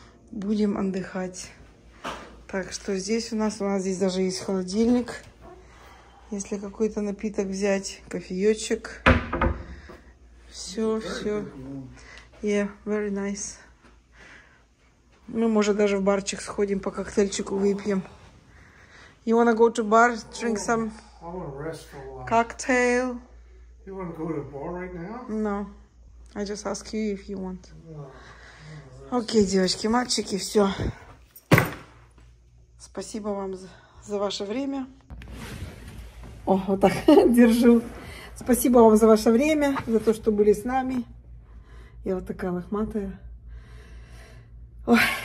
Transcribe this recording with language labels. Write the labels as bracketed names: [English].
[Russian] Будем отдыхать. Так что здесь у нас здесь даже есть холодильник. Если какой-то напиток взять, кофеечек. Все. [English] Yeah, very nice. [Russian] Мы, может, даже в барчик сходим, по коктейльчику выпьем. [English] You wanna go to bar, drink some cocktail? You wanna go to bar right now? No. I just ask you if you want. [Russian] Окей, девочки, мальчики, все. Спасибо вам за ваше время. О, вот так держу. Спасибо вам за ваше время, за то, что были с нами. Я вот такая лохматая. Ой.